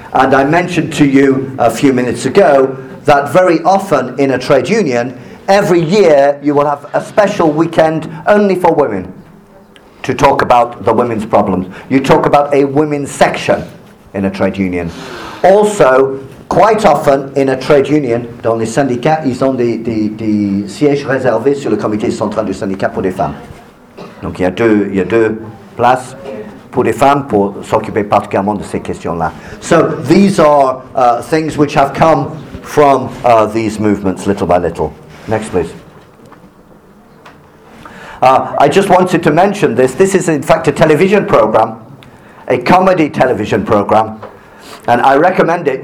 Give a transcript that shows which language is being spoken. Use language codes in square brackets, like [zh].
[en] And I mentioned to you a few minutes ago that very often in a trade union, every year you will have a special weekend only for women to talk about the women's problems. You talk about a women's section in a trade union. Also, quite often in a trade union, [fr] dans les syndicats, ils ont des sièges réservés sur le comité central du syndicat pour les femmes. Donc il y a deux places pour les femmes pour s'occuper particulièrement de ces questions-là. [en] So these are things which have come from these movements little by little. Next, please. I just wanted to mention this. This is, in fact, a television program, a comedy television program, and I recommend it.